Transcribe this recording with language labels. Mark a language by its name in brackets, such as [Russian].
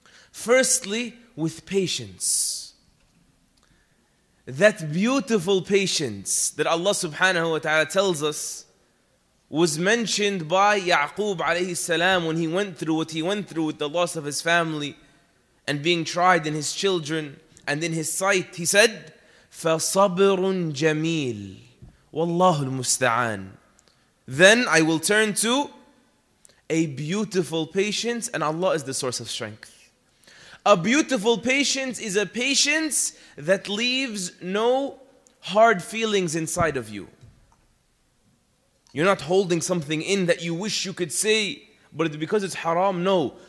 [English] Firstly, with patience. That beautiful patience that Allah subhanahu wa ta'ala tells us was mentioned by Ya'qub alayhi salam when he went through what he went through with the loss of his family and being tried in his children and in his sight. He said, [Arabic] فَصَبْرٌ جَمِيلٌ وَاللَّهُ الْمُسْتَعَانِ. [English] Then I will turn to a beautiful patience, and Allah is the source of strength. A beautiful patience is a patience that leaves no hard feelings inside of you. You're not holding something in that you wish you could say, but because it's haram, no.